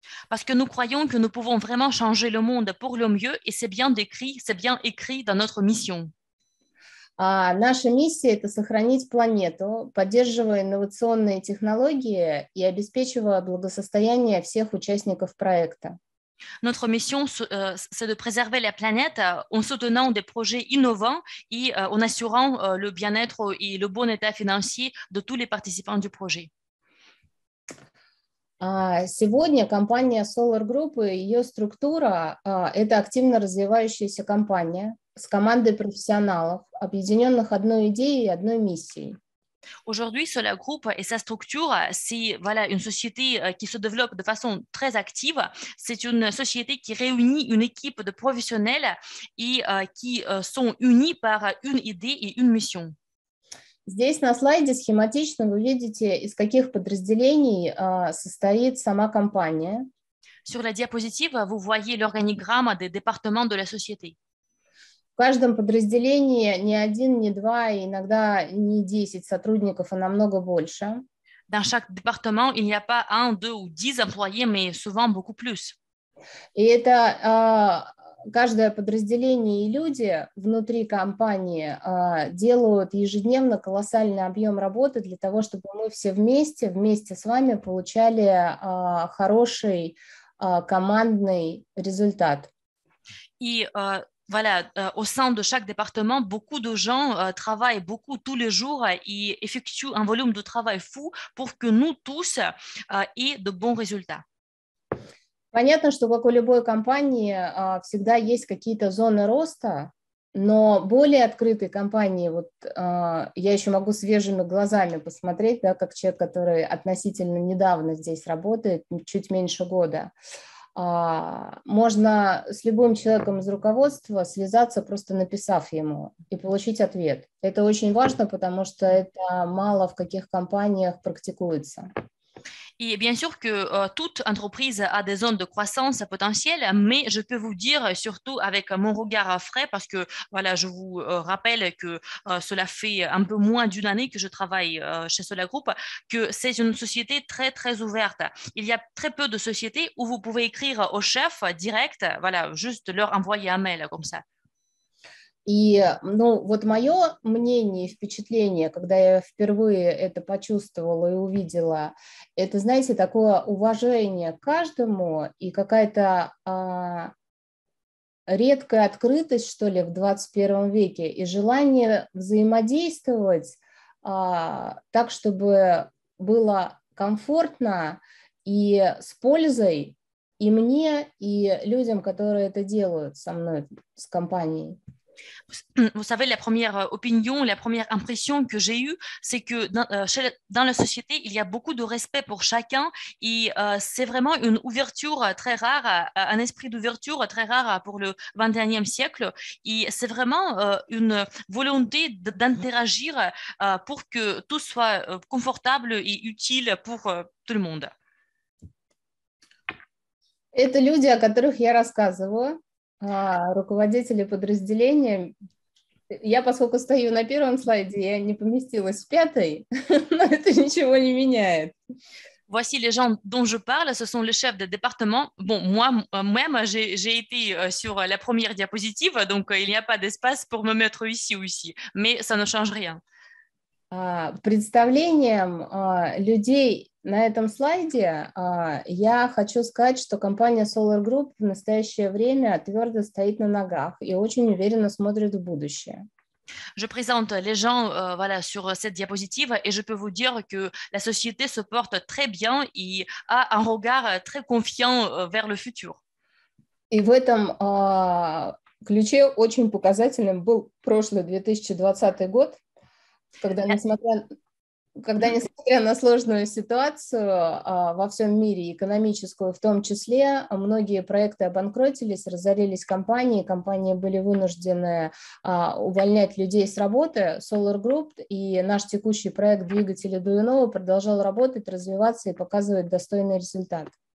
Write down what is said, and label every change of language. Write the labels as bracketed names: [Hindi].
[French] Parce que nous croyons que nous pouvons vraiment changer le monde pour le mieux, et c'est bien écrit dans notre mission. [Russian] Наша миссия – это сохранить планету, поддерживая инновационные технологии и обеспечивая благосостояние всех участников проекта. [French] Notre mission, c'est de préserver la planète en soutenant des projets innovants et en assurant le bien-être et le bon état financier de tous les participants du projet. [Russian] Сегодня компания Solar Group и ее структура – это активно развивающаяся компания с командой профессионалов, объединенных одной идеей и одной миссией. [French] Aujourd'hui, Solar Group et sa structure, c'est voilà, une société qui se développe de façon très active. C'est une société qui réunit une équipe de professionnels et qui sont unis par une idée et une mission. [Russian] Здесь на слайде схематично вы видите, из каких подразделений состоит сама компания. [French] Sur la diapositive, vous voyez l'organigramme des départements de la société. [Russian] В каждом подразделении не один, не два, иногда не 10 сотрудников, а намного больше. [French] Dans chaque département, il n'y a pas un, deux ou 10 employés, mais souvent beaucoup plus. [Russian] И это каждое подразделение и люди внутри компании делают ежедневно колоссальный объем работы для того, чтобы мы все вместе, вместе с вами получали хороший командный результат. [French] И voilà, au sein de chaque département, beaucoup de gens travaillent beaucoup tous les jours et effectuent un volume de travail fou pour que nous tous aient de bons résultats. [Russian] Понятно, что, как у любой компании, всегда есть какие-то зоны роста, но более открытые компании, вот я еще могу свежими глазами посмотреть, да, как человек, который относительно недавно здесь работает, чуть меньше года, можно с любым человеком из руководства связаться, просто написав ему, и получить ответ. Это очень важно, потому что это мало в каких компаниях практикуется. [French] Et bien sûr que toute entreprise a des zones de croissance potentielle, mais je peux vous dire, surtout avec mon regard frais, parce que voilà, je vous rappelle que cela fait un peu moins d'une année que je travaille chez Solar Group, que c'est une société très, très ouverte. Il y a très peu de sociétés où vous pouvez écrire au chef direct, voilà, juste leur envoyer un mail comme ça. [Russian] И, ну, вот мое мнение и впечатление, когда я впервые это почувствовала и увидела, это, знаете, такое уважение к каждому и какая-то редкая открытость, что ли, в 21 веке, и желание взаимодействовать так, чтобы было комфортно и с пользой и мне, и людям, которые это делают со мной, с компанией. [French] Vous savez, la première opinion, la première impression que j'ai eue, c'est que dans la société, il y a beaucoup de respect pour chacun et c'est vraiment une ouverture très rare, un esprit d'ouverture très rare pour le 21e siècle. Et c'est vraiment une volonté d'interagir pour que tout soit confortable et utile pour tout le monde. C'est les gens à qui je raconte. [Russian] Руководители подразделения. Я, поскольку стою на первом слайде, я не поместилась в пятый, но это ничего не меняет. [French] Voici les gens dont je parle, ce sont les chefs de département. Bon, moi-même, j'ai été sur la première diapositive, donc il n'y a pas d'espace pour me mettre ici ou ici, mais ça ne change rien. [Russian] Представлением людей на этом слайде я хочу сказать, что компания Solar Group в настоящее время твердо стоит на ногах и очень уверенно смотрит в будущее. [French] Je présente les gens voilà, sur cette diapositive et je peux vous dire que la société se porte très bien et a un regard très confiant vers le futur. [Russian] И в этом ключе очень показательным был прошлый 2020 год. Когда, несмотря на сложную ситуацию во всем мире, экономическую в том числе, многие проекты обанкротились, разорились компании, компании были вынуждены увольнять людей с работы, Solar Group, и наш текущий проект двигателя Дуюнова продолжал работать, развиваться и показывать достойный результат.